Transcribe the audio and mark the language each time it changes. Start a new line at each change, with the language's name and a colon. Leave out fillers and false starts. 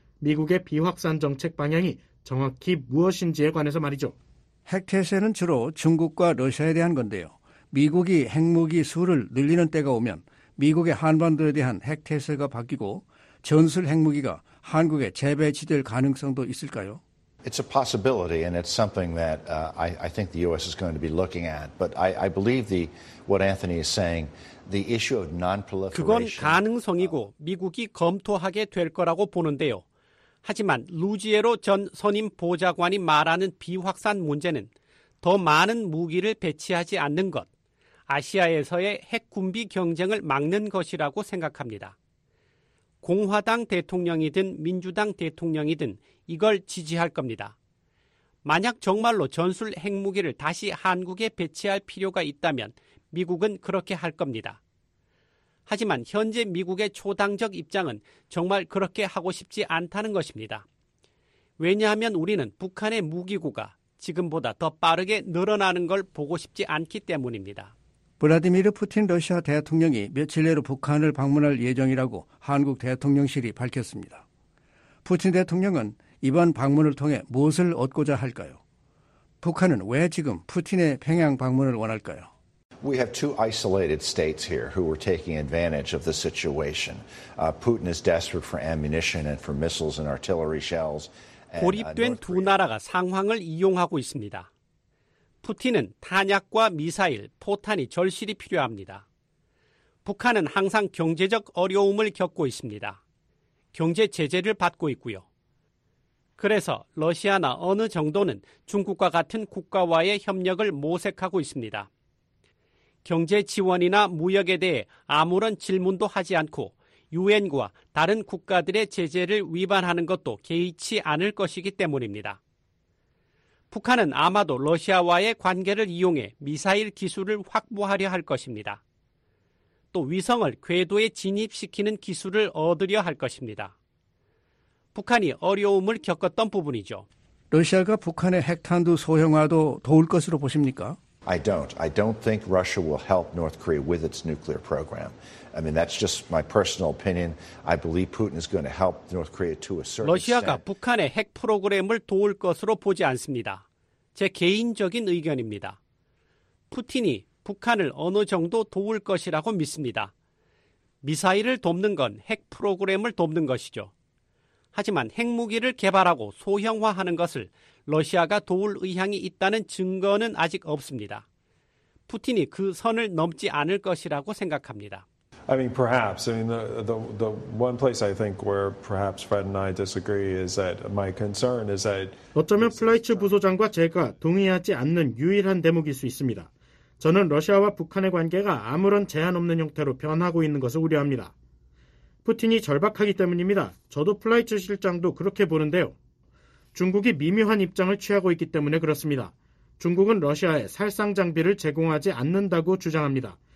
Korean: 미국의 비확산 정책 방향이 정확히 무엇인지에 관해서 말이죠. 핵태세는 주로 중국과 러시아에 대한 건데요. 미국이 핵무기 수를 늘리는 때가 오면 미국의 한반도에 대한 핵태세가 바뀌고 전술 핵무기가 한국에 재배치될 가능성도 있을까요?
English: It's a possibility and it's something that I think the US is going to be looking at. But I believe the what Anthony is saying, the issue of non-proliferation.
Korean: 그건 가능성이고 미국이 검토하게 될 거라고 보는데요. 하지만 루지에로 전 선임 보좌관이 말하는 비확산 문제는 더 많은 무기를 배치하지 않는 것, 아시아에서의 핵 군비 경쟁을 막는 것이라고 생각합니다. 공화당 대통령이든 민주당 대통령이든 이걸 지지할 겁니다. 만약 정말로 전술 핵무기를 다시 한국에 배치할 필요가 있다면 미국은 그렇게 할 겁니다. 하지만 현재 미국의 초당적 입장은 정말 그렇게 하고 싶지 않다는 것입니다. 왜냐하면 우리는 북한의 무기고가 지금보다 더 빠르게 늘어나는 걸 보고 싶지 않기 때문입니다. 블라디미르 푸틴 러시아 대통령이 며칠 내로 북한을 방문할 예정이라고 한국 대통령실이 밝혔습니다. 푸틴 대통령은 이번 방문을 통해 무엇을 얻고자 할까요? 북한은 왜 지금 푸틴의 평양 방문을 원할까요?
English: We have two isolated states here who are taking advantage of the situation. Putin is desperate for ammunition and for missiles and artillery shells.
Korean: 고립된 두 나라가 상황을 이용하고 있습니다. 푸틴은 탄약과 미사일, 포탄이 절실히 필요합니다. 북한은 항상 경제적 어려움을 겪고 있습니다. 경제 제재를 받고 있고요. 그래서 러시아나 어느 정도는 중국과 같은 국가와의 협력을 모색하고 있습니다. 경제 지원이나 무역에 대해 아무런 질문도 하지 않고 유엔과 다른 국가들의 제재를 위반하는 것도 개의치 않을 것이기 때문입니다. 북한은 아마도 러시아와의 관계를 이용해 미사일 기술을 확보하려 할 것입니다. 또 위성을 궤도에 진입시키는 기술을 얻으려 할 것입니다. 북한이 어려움을 겪었던 부분이죠. 러시아가 북한의 핵탄두 소형화도 도울 것으로 보십니까?
English: I don't think Russia will help North Korea with its nuclear program. I mean, that's just my personal opinion. I believe Putin is going to help North Korea to a certain extent.
Korean: 러시아가 북한의 핵 프로그램을 도울 것으로 보지 않습니다. 제 개인적인 의견입니다. 푸틴이 북한을 어느 정도 도울 것이라고 믿습니다. 미사일을 돕는 건 핵 프로그램을 돕는 것이죠. 하지만 핵무기를 개발하고 소형화하는 것을 러시아가 도울 의향이 있다는 증거는 아직 없습니다. 푸틴이 그 선을 넘지 않을 것이라고 생각합니다.
English: I mean, perhaps. I mean, the one place I think where perhaps Fred and I disagree is that my concern is that
Korean: 어쩌면 플라이츠 부소장과 제가 동의하지 않는 유일한 대목일 수 있습니다. 저는 러시아와 북한의 관계가 아무런 제한 없는 형태로 변하고 있는 것을 우려합니다. 푸틴이 절박하기 때문입니다. 저도 플라이츠 실장도 그렇게 보는데요. 중국이 미묘한 입장을 취하고 있기 때문에 그렇습니다. 중국은 러시아에 살상 장비를 제공하지 않는다고 주장합니다.